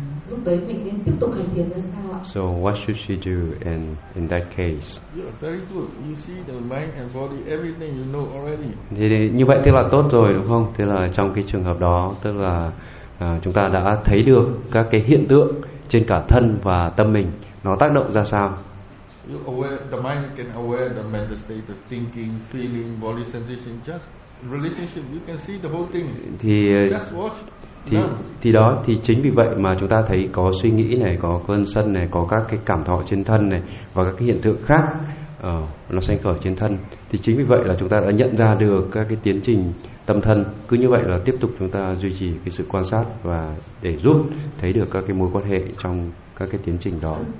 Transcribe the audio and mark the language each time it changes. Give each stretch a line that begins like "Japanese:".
Vietnamese: lúc đấy mình nên tiếp tục hành thiền ra sao ạ?
English: So what should she do in that case? Yeah, very good. You see the mind and body, everything you know already.
Vietnamese: Thì như vậy tức là tốt rồi đúng không? Tức là trong cái trường hợp đó tức là chúng ta đã thấy được các cái hiện tượng trên cả thân và tâm mình nó tác động ra sao.
English: You aware, the mind can aware the mental state of thinking, feeling, body sensation, just relationship, you can see the whole thing. Just watch.
Vietnamese: Thì đó thì chính vì vậy mà chúng ta thấy có suy nghĩ này, có cơn sân này, có các cái cảm thọ trên thân này và các cái hiện tượng khác nó sanh khởi trên thân, thì chính vì vậy là chúng ta đã nhận ra được các cái tiến trình tâm thân. Cứ như vậy là tiếp tục chúng ta duy trì cái sự quan sát và để giúp thấy được các cái mối quan hệ trong các cái tiến trình đó.